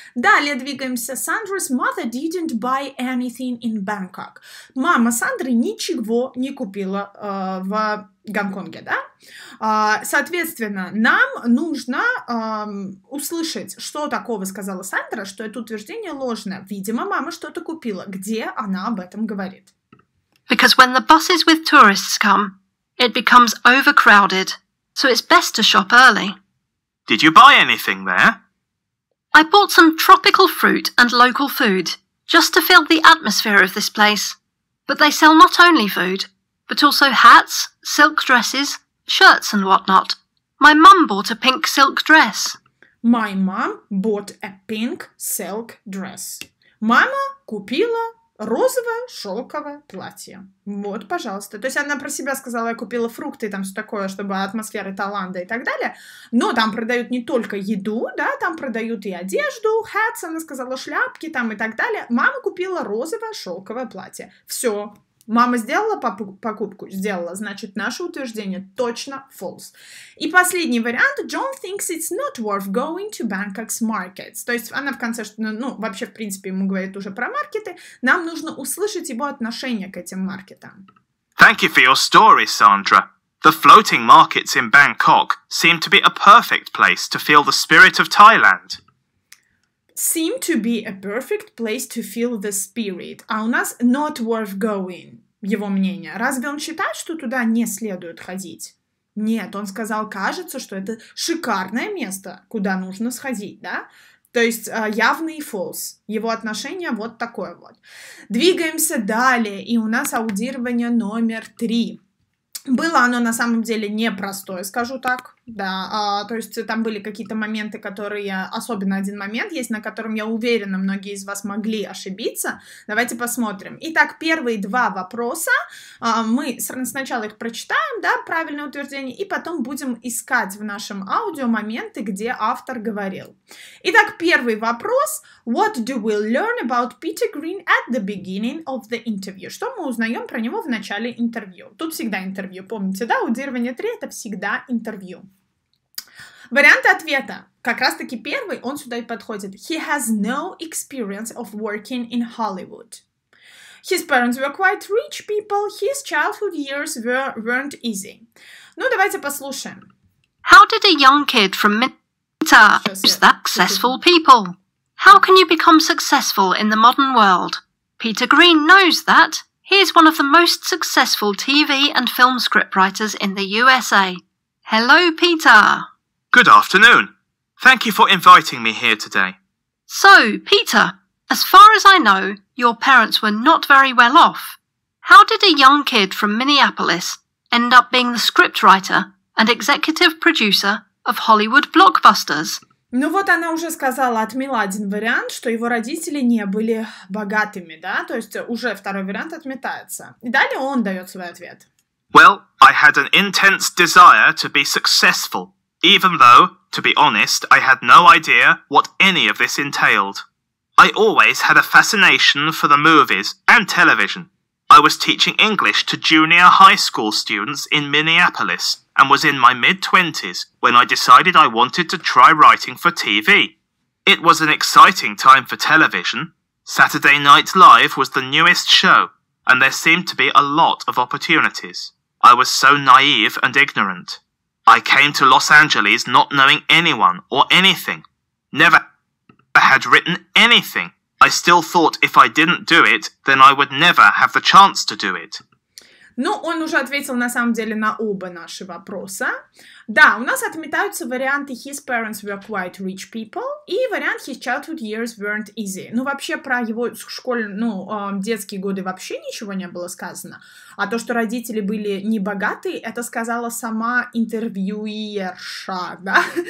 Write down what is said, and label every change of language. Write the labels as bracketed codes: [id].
[ru] Далее двигаемся. [en] Sandra's mother didn't buy anything in Bangkok. [ru] Мама Сандры ничего не купила в Гонконге, да? Соответственно, нам нужно услышать, что такого сказала Сандра, что это утверждение ложное. Видимо, мама что-то купила. Где она об этом говорит? [en] Because when the buses with tourists come, it becomes overcrowded, so it's best to shop early. Did you buy anything there? I bought some tropical fruit and local food, just to fill the atmosphere of this place. But they sell not only food, but also hats, silk dresses, shirts and whatnot. My mum bought a pink silk dress. My mum bought a pink silk dress. [ru] Мама купила розовое шелковое платье. Вот, пожалуйста. То есть она про себя сказала, я купила фрукты, там все такое, чтобы атмосфера Таиланда и так далее. Но там продают не только еду, да, там продают и одежду, hats, она сказала, шляпки там и так далее. Мама купила розовое шелковое платье. Все. Мама сделала покупку? Сделала. Значит, наше утверждение точно false. И последний вариант. [en] John thinks it's not worth going to Bangkok's markets. [ru] То есть она в конце, ну, вообще, в принципе, ему говорит уже про маркеты. Нам нужно услышать его отношение к этим маркетам. [en] Thank you for your story, Sandra. The floating markets in Bangkok seem to be a perfect place to feel the spirit of Thailand. Seem to be a perfect place to feel the spirit. [ru] А у нас [en] not worth going, [ru] его мнение. Разве он считает, что туда не следует ходить? Нет, он сказал, кажется, что это шикарное место, куда нужно сходить, да? То есть явный false. Его отношение вот такое вот. Двигаемся далее, и у нас аудирование номер 3. Было оно на самом деле непростое, скажу так, да, то есть там были какие-то моменты, которые, особенно один момент есть, на котором я уверена, многие из вас могли ошибиться. Давайте посмотрим. Итак, первые 2 вопроса, мы сначала их прочитаем, да, правильное утверждение, и потом будем искать в нашем аудио моменты, где автор говорил. Итак, первый вопрос. [en] What do we learn about Peter Green at the beginning of the interview? [ru] Что мы узнаем про него в начале интервью? Тут всегда интервью, помните, да? Аудирование 3 — это всегда интервью. Варианты ответа. Как раз-таки первый, он сюда и подходит. [en] He has no experience of working in Hollywood. His parents were quite rich people. His childhood years weren't easy. [ru] Ну, давайте послушаем. [en] How did a young kid from Minnesota use that successful people? How can you become successful in the modern world? Peter Green knows that. He is one of the most successful TV and film scriptwriters in the USA. Hello, Peter. Good afternoon. Thank you for inviting me here today. So, Peter, as far as I know, your parents were not very well off. How did a young kid from Minneapolis end up being the scriptwriter and executive producer of Hollywood blockbusters? [ru] Ну вот она уже сказала, отмела один вариант, что его родители не были богатыми, да? То есть уже второй вариант отметается. И далее он дает свой ответ. [en] Well, I had an intense desire to be successful, even though, to be honest, I had no idea what any of this entailed. I always had a fascination for the movies and television. I was teaching English to junior high school students in Minneapolis and was in my mid-20s when I decided I wanted to try writing for TV. It was an exciting time for television. Saturday Night Live was the newest show, and there seemed to be a lot of opportunities. I was so naive and ignorant. I came to Los Angeles not knowing anyone or anything. Never had written anything, I still thought if I didn't do it, then I would never have the chance to do it. [ru] Ну, он уже ответил на самом деле на оба наши вопроса. Да, у нас отметаются варианты [en] «His parents were quite rich people» [ru] и вариант [en] «His childhood years weren't easy». [ru] Ну, вообще, про его детские годы вообще ничего не было сказано. А то, что родители были небогатые, это сказала сама интервьюерша, да?